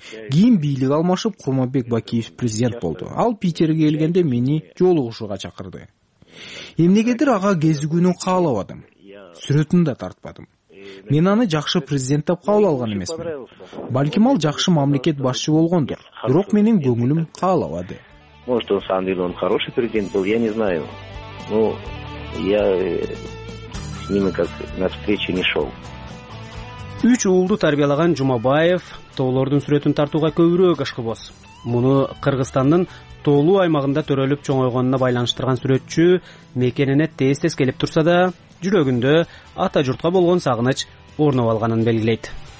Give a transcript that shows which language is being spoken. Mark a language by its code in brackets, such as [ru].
[ky] Кийин бийлик алмашып, Курманбек Бакиев президент болду. Ал Питерге келгенде мени жолугушууга чакырды. Эмнегедир ага кезигүүнү каалабадым. Сүрөтүн да тартпадым. Мен аны жакшы президент деп кабыл алган эмесмин. Балким ал жакшы мамлекет башчы болгондур, бирок менин көңүлүм каалабады. [ru] Может, он сам деле он хороший президент был, я не знаю. Ну, я с ними как на встречу не шел. [ky] Үч уулду тарбиялаган Жумабаев тоолордун сүрөтүн тартууга көбүрөөк ашкыбоз. Муну Кыргызстандын тоолуу аймагында төрөлүп чоңойгонуна байланыштырган сүрөтчү мекенине тез-тез келип турса да, жүрөгүндө ата журтка болгон сагыныч орноп алганын белгилейт.